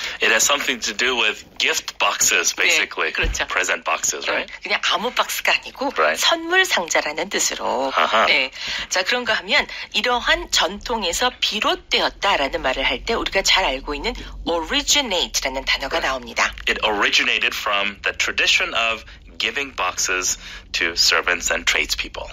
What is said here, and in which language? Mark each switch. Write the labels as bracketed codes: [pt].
[en] It has something to do with gift boxes, basically. [ko] 네, 그렇죠. [en] Present boxes, right? [ko] 그냥 아무 박스가 아니고 [en] Right. [ko] 선물 상자라는 뜻으로. [en] Uh-huh. [ko] 네. 자, 그런가 하면 이러한 전통에서 비롯되었다라는 말을 할 때 우리가 잘 알고 있는 originate라는 단어가 [en] Right. [ko] 나옵니다. [en] It originated from the tradition of giving boxes to servants and tradespeople.